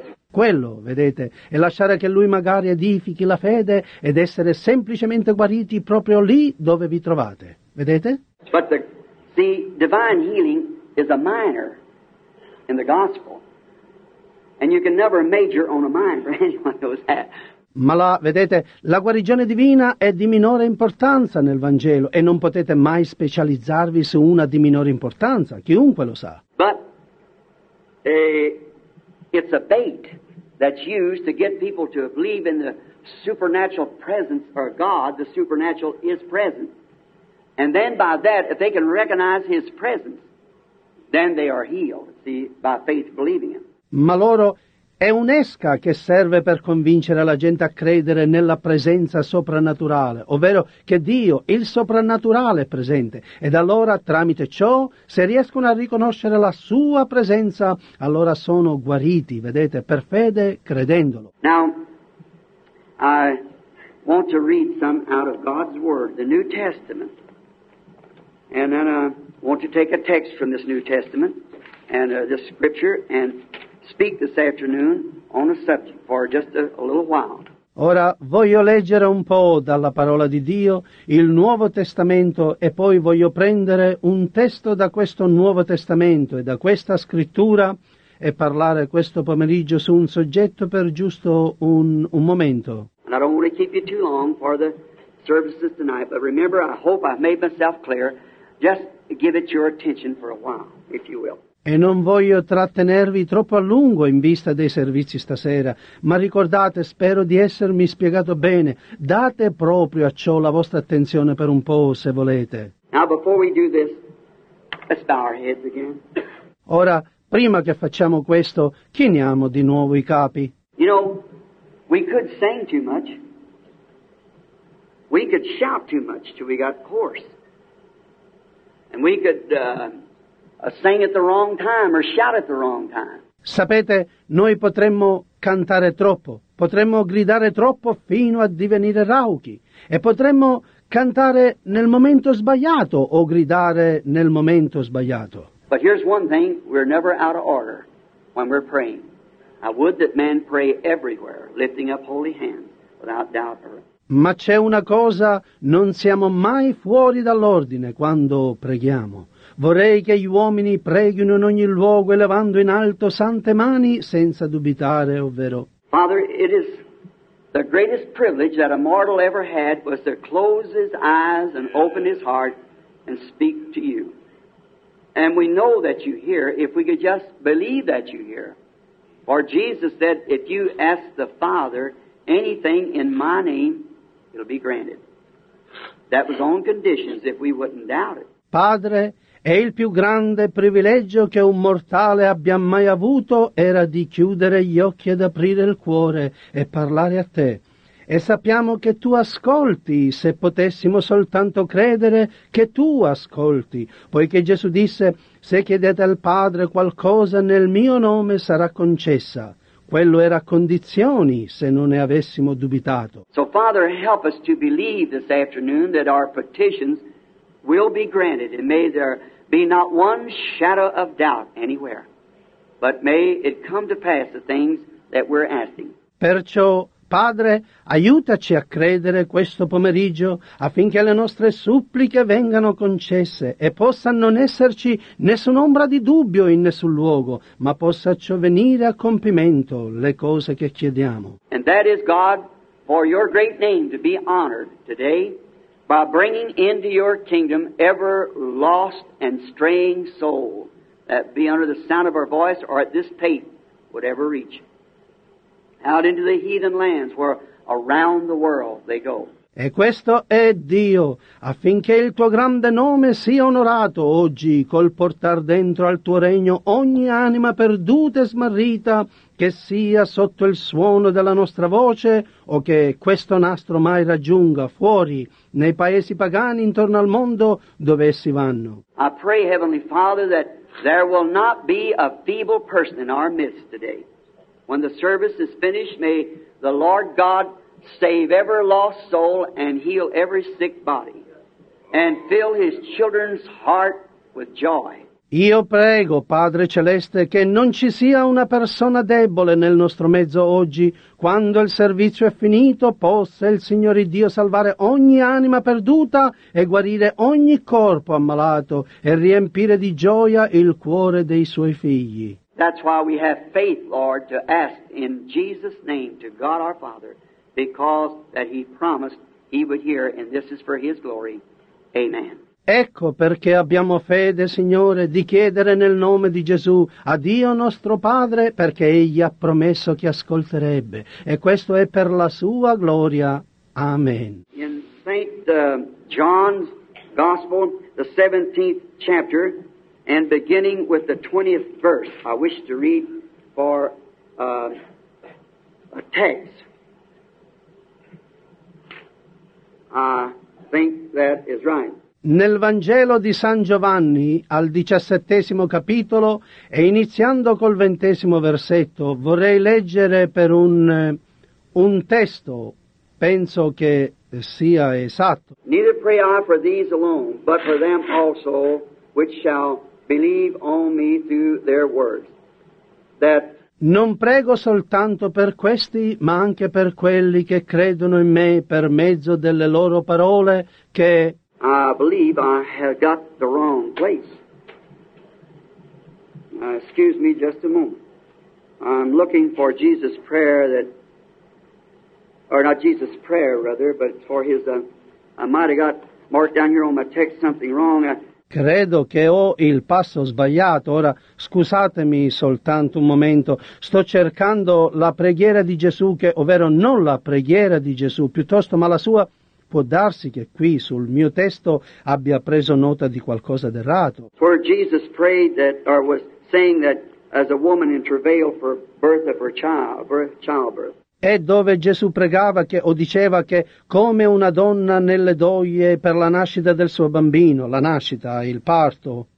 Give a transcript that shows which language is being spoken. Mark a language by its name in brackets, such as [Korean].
[Italian] Quello, vedete, e lasciare che lui magari edifichi la fede ed essere semplicemente guariti proprio lì dove vi trovate. Vedete? [English] But the divine healing is a minor in the gospel, and you can never major on a minor. Anyone knows that. [Italian] Ma la, vedete, la guarigione divina è di minore importanza nel Vangelo e non potete mai specializzarvi su una di minore importanza, chiunque lo sa. [English] But it's a bait that's used to get people to believe in the supernatural presence of God. The supernatural is present, and then by that, if they can recognize his presence, then they are healed, see, by faith believing him. [Italian] Ma loro è un'esca che serve per convincere la gente a credere nella presenza soprannaturale, ovvero che Dio, il soprannaturale, è presente. Ed allora, tramite ciò, se riescono a riconoscere la sua presenza, allora sono guariti, vedete, per fede, credendolo. [English] Now, I want to read some out of God's Word, the New Testament. And then I want to take a text from this New Testament and this scripture and speak this afternoon on a subject for just a little while. [Italian] Ora voglio leggere un po' dalla parola di Dio, il Nuovo Testamento, e poi voglio prendere un testo da questo Nuovo Testamento e da questa scrittura e parlare questo pomeriggio su un soggetto per giusto un momento. [English] And I don't want to keep you too long for the services tonight, but remember, I hope I've made myself clear. Just give it your attention for a while, if you will. [Italian] E non voglio trattenervi troppo a lungo in vista dei servizi stasera, ma ricordate, spero di essermi spiegato bene, date proprio a ciò la vostra attenzione per un po', se volete. [English] Now before we do this, let's bow our heads again. [Italian] Ora, prima che facciamo questo, chiniamo di nuovo i capi. [English] You know, we could sing too much. We could shout too much till we got hoarse. And we could sing at the wrong time or shout at the wrong time. [Italian] Sapete, noi potremmo cantare troppo, potremmo gridare troppo fino a divenire rauchi, e potremmo cantare nel momento sbagliato o gridare nel momento sbagliato. [English] But here's one thing, we're never out of order when we're praying. I would that men pray everywhere, lifting up holy hands, without doubt or... [Italian] Ma c'è una cosa, non siamo mai fuori dall'ordine quando preghiamo. Vorrei che gli uomini preghino in ogni luogo, elevando in alto sante mani, senza dubitare, ovvero... [English] Father, it is the greatest privilege that a mortal ever had was to close his eyes and open his heart and speak to you. And we know that you hear, if we could just believe that you hear. For Jesus said, if you ask the Father anything in my name, it'll be granted. That was on conditions if we wouldn't doubt it. [Italian] Padre, è il più grande privilegio che un mortale abbia mai avuto era di chiudere gli occhi ed aprire il cuore e parlare a te. E sappiamo che tu ascolti, se potessimo soltanto credere che tu ascolti, poiché Gesù disse, se chiedete al Padre qualcosa nel mio nome sarà concessa. Quello era a condizioni, se non ne avessimo dubitato. [English] So, Father, help us to believe this afternoon that our petitions will be granted, and may there be not one shadow of doubt anywhere, but may it come to pass the things that we're asking. [Italian] Perciò, Padre, aiutaci a credere questo pomeriggio affinché le nostre suppliche vengano concesse e possa non esserci nessun'ombra di dubbio in nessun luogo, ma possa ciò venire a compimento le cose che chiediamo. [English] And that is, God, for your great name to be honored today by bringing into your kingdom ever lost and straying soul that be under the sound of our voice or at this tape would ever reach. Out into the heathen lands where around the world they go. [Italian] E questo è Dio, affinché il tuo grande nome sia onorato oggi col portar dentro al tuo regno ogni anima perduta e smarrita, che sia sotto il suono della nostra voce o che questo nastro mai raggiunga fuori nei paesi pagani intorno al mondo dove essi vanno. [English] I pray, Heavenly Father, that there will not be a feeble person in our midst today. When the service is finished, may the Lord God save every lost soul and heal every sick body and fill his children's heart with joy. [Italian] Io prego, Padre Celeste, che non ci sia una persona debole nel nostro mezzo oggi. Quando il servizio è finito, possa il Signore Dio salvare ogni anima perduta e guarire ogni corpo ammalato e riempire di gioia il cuore dei suoi figli. [English] That's why we have faith, Lord, to ask in Jesus' name to God our Father, because that he promised he would hear, and this is for his glory. Amen. [Italian] Ecco perché abbiamo fede, Signore, di chiedere nel nome di Gesù a Dio nostro Padre, perché egli ha promesso che ascolterebbe, e questo è per la sua gloria. Amen. [English] In St. John's Gospel, the 17th chapter, and beginning with the 20th verse, I wish to read for a text. I think that is right. [Italian] Nel Vangelo di San Giovanni, al 17° capitolo, e iniziando col 20° versetto, vorrei leggere per un testo, penso che sia esatto. [English] Neither pray I for these alone, but for them also which shall believe on me through their words. That [Italian] non prego soltanto per questi, ma anche per quelli che credono in me per mezzo delle loro parole, che [English] I believe I have got the wrong place. Excuse me just a moment. I'm looking for Jesus' prayer that, or not Jesus' prayer, rather, but for his, I might have got marked down here on my text something wrong. [Italian] Credo che ho il passo sbagliato, ora scusatemi soltanto un momento, sto cercando la preghiera di Gesù, che ovvero non la preghiera di Gesù, piuttosto ma la sua, può darsi che qui sul mio testo abbia preso nota di qualcosa d'errato. [English] For Jesus prayed that, or was saying that as a woman in travail for birth of her childbirth. [Italian] È dove Gesù pregava che, o diceva che, come una donna nelle doglie per la nascita del suo bambino, la nascita, il parto.